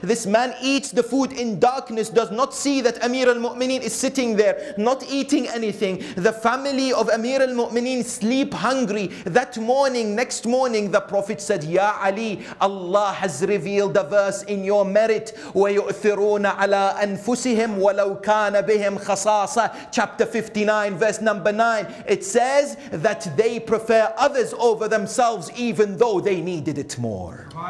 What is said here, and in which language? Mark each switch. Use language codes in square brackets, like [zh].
[en] This man eats the food in darkness, does not see that Amir al-Mu'mineen is sitting there, not eating anything. The family of Amir al-Mu'mineen sleep hungry. That morning, next morning, the Prophet said, Ya Ali, Allah has revealed a verse in your merit. [ar] وَيُؤْثِرُونَ عَلَىٰ أنفسهم ولو كان بهم خصاصة. [en] Chapter 59, verse number 9. It says that they prefer others over themselves even though they needed it more.